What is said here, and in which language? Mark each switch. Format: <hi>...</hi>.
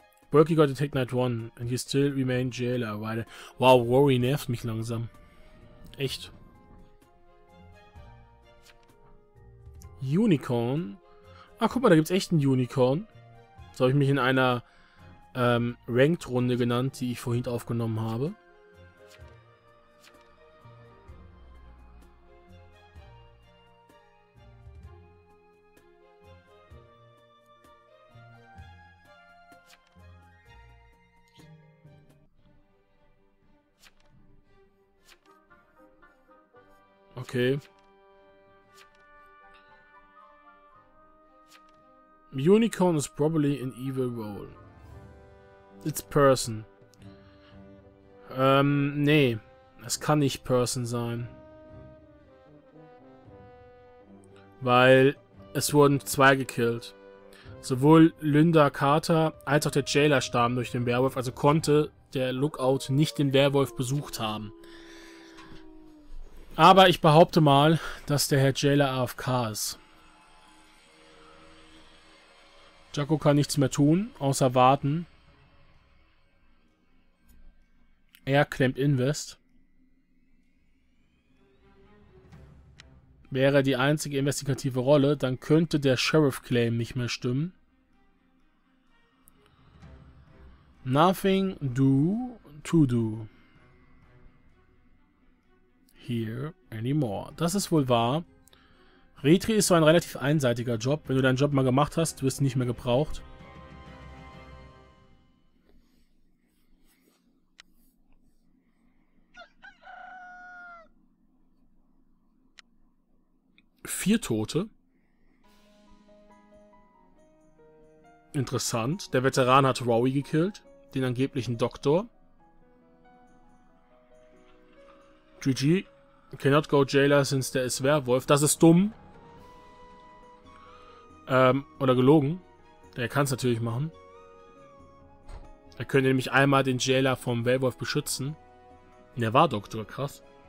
<en>Berkey got a Tech Knight 1 and he still remained jailer.</en> <de>Wow, Rory nervt mich langsam. Echt. Unicorn. Ach, guck mal, da gibt's echt einen Unicorn. So habe ich mich in einer Ranked-Runde genannt, die ich vorhin aufgenommen habe. Okay.</de> <en>Unicorn is probably an evil role. It's person.</en> <de>Nee. Es kann nicht person sein. Weil es wurden zwei gekillt. Sowohl Linda Carter als auch der Jailer starben durch den Werwolf. Also konnte der Lookout nicht den Werwolf besucht haben. Aber ich behaupte mal, dass der Herr Jailer AFK ist. Jacko kann nichts mehr tun, außer warten. Er klemmt Invest. Wäre die einzige investigative Rolle, dann könnte der Sheriff-Claim nicht mehr stimmen.</de> <en>Nothing do to do here anymore.</en> <de>Das ist wohl wahr. Retri ist so ein relativ einseitiger Job. Wenn du deinen Job mal gemacht hast, wirst du nicht mehr gebraucht. Vier Tote. Interessant. Der Veteran hat Rowie gekillt, den angeblichen Doktor. GG.</de> <en>Cannot go jailer since there is werewolf.</en> <de>Das ist dumm. Oder gelogen. Der kann es natürlich machen. Er könnte nämlich einmal den Jailer vom Werwolf beschützen. Der war Doktor, krass.</de>